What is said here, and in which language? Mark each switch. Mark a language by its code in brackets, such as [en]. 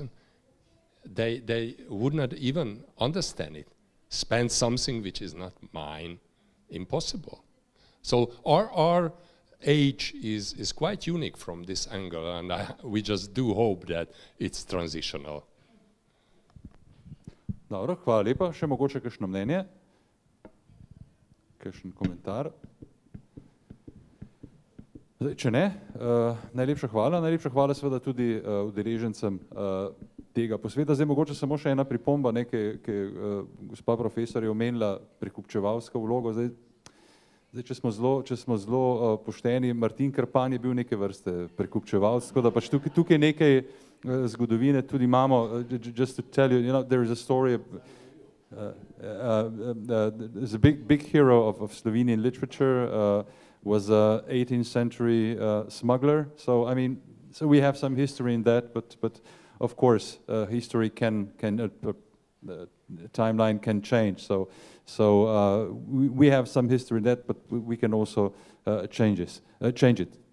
[en] And they would not even understand it. Spend something which is not mine, impossible. So our age is quite unique from this angle, and we just do hope that it's transitional. [sl] Dobro, hvala lepa. Še mogoče kakšno mnenje? Kakšen komentar? Zdaj, če ne, najlepša hvala. Najlepša hvala seveda tudi udeležencem tega posveta. Zdaj, mogoče samo še ena pripomba, ki je gospa profesor je omenila prekupčevalsko vlogo. Zdaj, če smo zelo pošteni, Martin Krpan je bil neke vrste prekupčevalsko, da pač tukaj nekaj zgodovine tudi imamo. [en] Just to tell you, you know, there is a story is a big hero of Slovenian literature, was a 18th century smuggler. So I mean, so we have some history in that, but of course history timeline can change, so we have some history in that, but we can also change it.